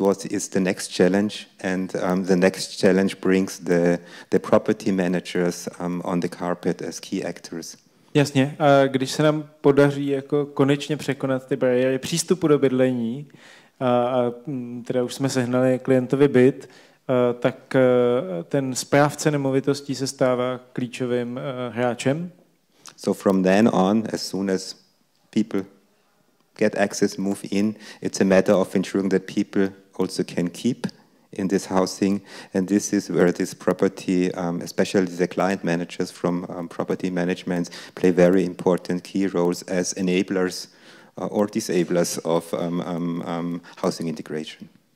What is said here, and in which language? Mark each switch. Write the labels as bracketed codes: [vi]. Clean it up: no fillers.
[en] What is the next challenge? And the next challenge brings the property managers on the carpet as key actors. [cs] Jasně, a když se nám podaří jako konečně překonat ty bariéry přístupu do bydlení, a teda už jsme sehnali klientovi byt, tak ten správce nemovitostí se stává klíčovým hráčem. [en] So from then on, as soon as people get access, move in, it's a matter of ensuring that people also can keep in this housing, and this is where this property, especially the client managers from property management, play very important key roles as enablers or disablers of housing integration.